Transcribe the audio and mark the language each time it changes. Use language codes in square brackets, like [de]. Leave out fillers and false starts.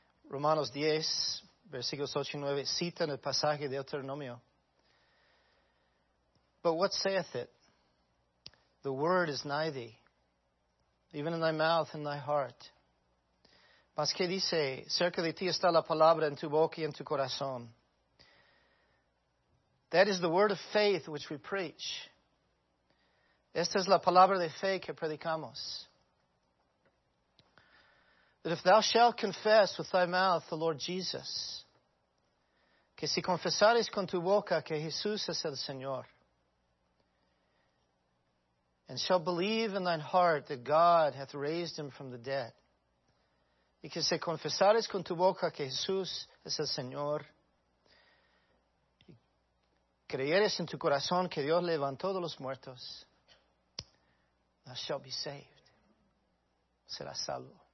[es] Romanos 10, versículos 8 y 9, citan el pasaje de Deuteronomio. [en] But what saith it? The word is nigh thee, even in thy mouth and thy heart. [es] Mas que dice, cerca de ti está la palabra en tu boca y en tu corazón. [en] That is the word of faith which we preach. [es] Esta es la palabra de fe que predicamos. [en] That if thou shalt confess with thy mouth the Lord Jesus, [es] que si confesares con tu boca que Jesús es el Señor, [en] and shall believe in thine heart that God hath raised him from the dead, [es] y que si confesares con tu boca que Jesús es el Señor, creyeres en tu corazón que Dios levantó de los muertos, [en] thou shalt be saved. [es] Serás salvo.